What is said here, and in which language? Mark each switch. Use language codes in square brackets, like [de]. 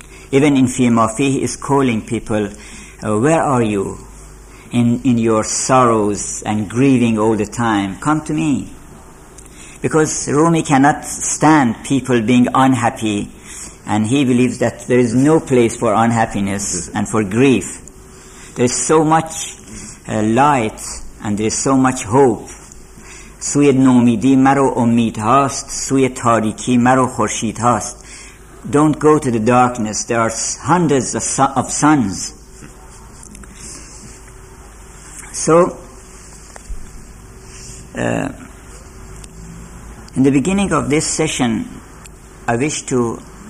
[en] Even in Fihi Ma Fihi, he is calling people, where are you in your sorrows and grieving all the time? Come to me. Because Rumi cannot stand people being unhappy, and he believes that there is no place for unhappiness and for grief. There is so much light, and there is so much hope. [fa] سوی نومیدی مرو امید هاست، سوی تاریکی مرو خورشید هاست. [en] Don't go to the darkness, there are hundreds of suns. So, in the beginning of this session, I wish to